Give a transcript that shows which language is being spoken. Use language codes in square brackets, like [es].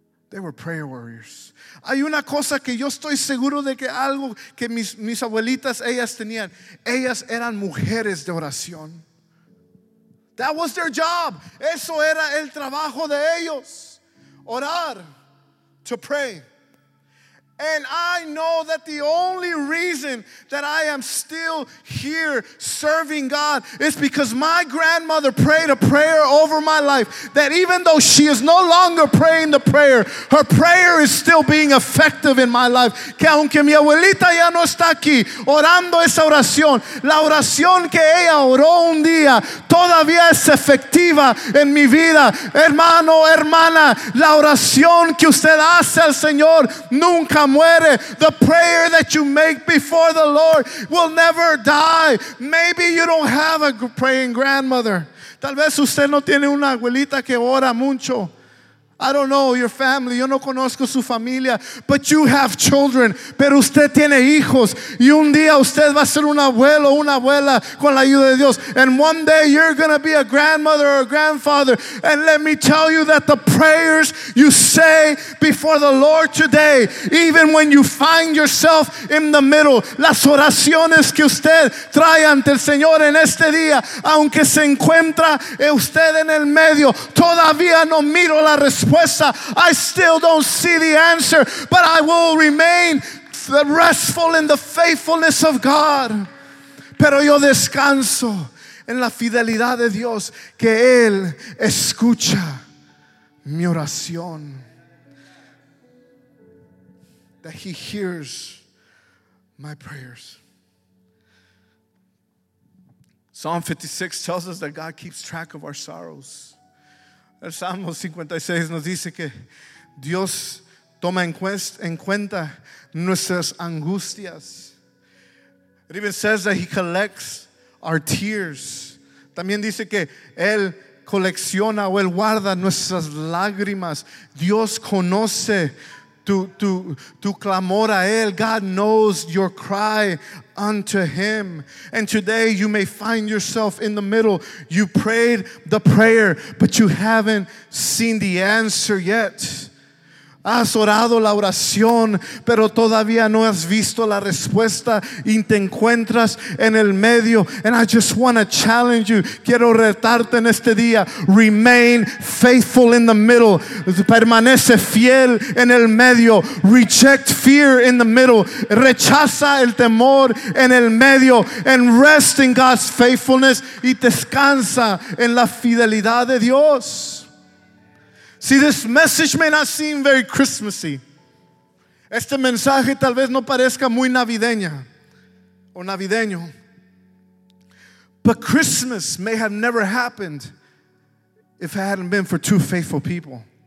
[en] They were prayer warriors. [es] Hay una cosa que yo estoy seguro de que algo que mis abuelitas, ellas tenían. Ellas eran mujeres de oración. [en] That was their job. [es] Eso era el trabajo de ellos. Orar, [en] to pray. And I know that the only reason that I am still here serving God is because my grandmother prayed a prayer over my life, that even though she is no longer praying the prayer, her prayer is still being effective in my life. [es] Que aunque mi abuelita ya no está aquí orando esa oración, la oración que ella oró un día todavía es efectiva en mi vida. Hermano, hermana, la oración que usted hace al Señor nunca muere. [en] The prayer that you make before the Lord will never die. Maybe you don't have a praying grandmother. [es] Tal vez usted no tiene una abuelita que ora mucho. [en] I don't know your family. [es] Yo no conozco su familia. [en] But you have children. [es] Pero usted tiene hijos. Y un día usted va a ser un abuelo, una abuela con la ayuda de Dios. [en] And one day you're going to be a grandmother or a grandfather. And let me tell you that the prayers you say before the Lord today, even when you find yourself in the middle, [es] las oraciones que usted trae ante el Señor en este día, aunque se encuentra usted en el medio, todavía no miro la respuesta. [en] I still don't see the answer, but I will remain restful in the faithfulness of God. [es] Pero yo descanso en la fidelidad de Dios, que Él escucha mi oración. [en] That He hears my prayers. Psalm 56 tells us that God keeps track of our sorrows. [es] El Salmo 56 nos dice que Dios toma en cuenta nuestras angustias. [en] It even says that He collects our tears. [es] También dice que Él colecciona o Él guarda nuestras lágrimas. Dios conoce tu clamor a Él. [en] God knows your cry unto Him. And today you may find yourself in the middle. You prayed the prayer, but you haven't seen the answer yet. [es] Has orado la oración, pero todavía no has visto la respuesta y te encuentras en el medio. [en] And I just want to challenge you. [es] Quiero retarte en este día. [en] Remain faithful in the middle. [es] Permanece fiel en el medio. [en] Reject fear in the middle. [es] Rechaza el temor en el medio. [en] And rest in God's faithfulness. [es] Y descansa en la fidelidad de Dios. [en] See, this message may not seem very Christmassy. [es] Este mensaje tal vez no parezca muy navideña o navideño. [en] But Christmas may have never happened if it hadn't been for two faithful people.